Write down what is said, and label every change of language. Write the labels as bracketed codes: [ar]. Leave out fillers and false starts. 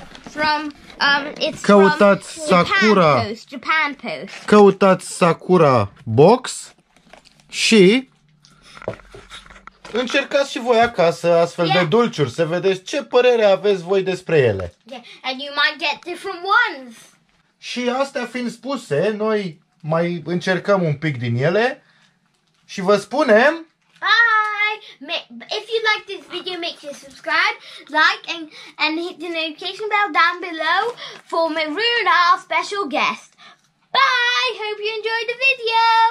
[en] From it's [ro] căutați [en] from Sakura. Japan Post. [ro] Căutați Sakura Box și încercați și voi acasă astfel de dulciuri, să vedeți ce părere aveți voi despre ele. [en] Yeah. And you might get different ones. [ro] Și astea fiind spuse, noi mai încercăm un pic din ele și vă spunem... [en] Bye! If you like this video, make sure to subscribe, like and hit the notification bell down below for Miruna, our special guest. Bye! Hope you enjoyed the video!